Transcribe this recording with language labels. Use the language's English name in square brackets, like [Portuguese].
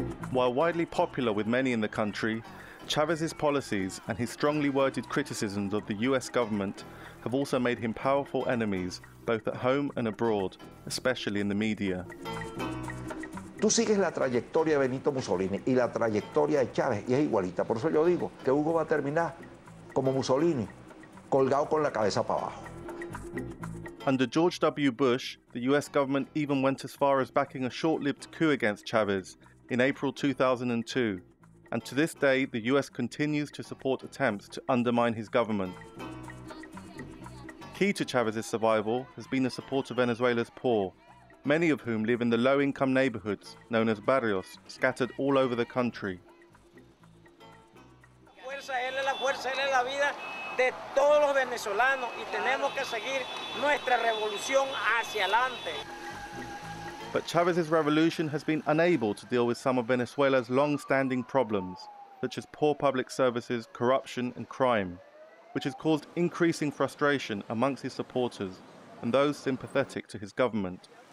[English] While widely popular with many in the country, Chavez's policies and his strongly worded criticisms of the US government have also made him powerful enemies, both at home and abroad, especially in the media. [Spanish] Tú sigues la trayectoria de Benito Mussolini y la trayectoria de Chávez y es igualita. Por eso yo digo que Hugo va a terminar como Mussolini, colgado con la cabeza para abajo. [English] Under George W. Bush, the US government even went as far as backing a short-lived coup against Chávez in April 2002. And to this day, the US continues to support attempts to undermine his government. Key to Chávez's survival has been the support of Venezuela's poor, many of whom live in the low-income neighborhoods known as barrios, scattered all over the country. [Spanish] Fuerza, él es la fuerza, él es la vida de todos los venezolanos y tenemos que seguir nuestra revolución hacia adelante. [English] But Chavez's revolution has been unable to deal with some of Venezuela's long-standing problems, such as poor public services, corruption, and crime, which has caused increasing frustration amongst his supporters and those sympathetic to his government.